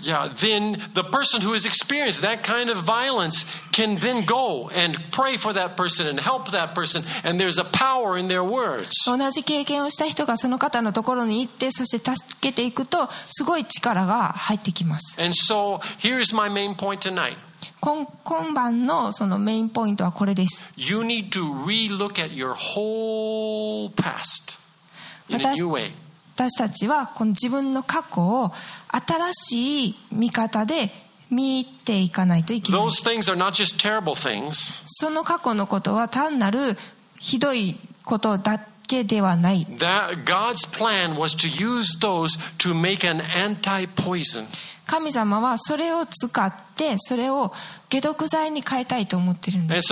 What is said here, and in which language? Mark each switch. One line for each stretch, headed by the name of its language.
English: Yeah, then the person who has experienced that kind of violence can then go and pray for that person and help that person, and there's a power in their words.
Japanese: 同じ経験をした人がその方のところに行ってそして助けていくとすごい力が入ってきます。
English: And so here's my main point tonight.
Japanese: 今晩のそのメインポイントはこれです。
English: You need to re-look at your whole past in a new way.
Japanese: 私たちはこの自分の過去を新しい見方で見ていかないといけない。
English: Those things are not just terrible things.
Japanese: その過去のことは単なるひどいことだけではない。
English: God's plan was to use those to make an anti-poison.
Japanese: 神様はそれを使ってそれを解毒剤に変えたいと思っているんです。